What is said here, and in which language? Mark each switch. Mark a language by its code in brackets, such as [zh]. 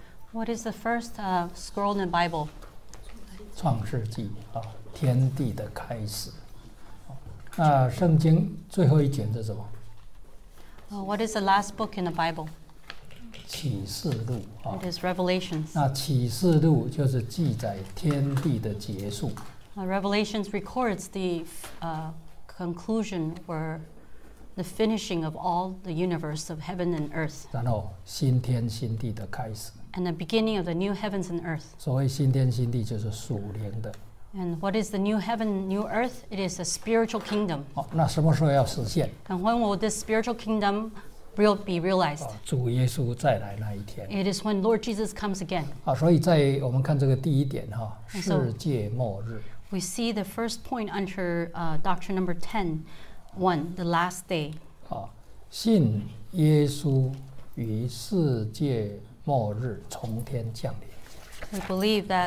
[en] What is the first scroll in the Bible? [zh] 创世纪，天地的开始。那圣经最后一卷是什么？ [en] What is the last book in the Bible? [zh] 启示录， [en] It is Revelations. [zh] 那启示录就是记载天地的结束。 [en] Revelations records the conclusion or the finishing of all the universe of heaven and earth. [zh] 然后新天新地的开始。 [en] And the beginning of the new heavens and earth. [zh] 所谓新天新地就是属灵的。 [en] And what is the new heaven, new earth? It is a spiritual kingdom. [zh] 那什么时候要实现？ [en] And when will this spiritual kingdom be realized? [zh] 主耶稣再来那一天。 [en] It is when Lord Jesus comes again. [zh] 所以在我们看这个第一点，世界末日。 [en] We see the first point under doctrine number 10, 1, the last day. [zh] 信耶稣与世界末日从天降临。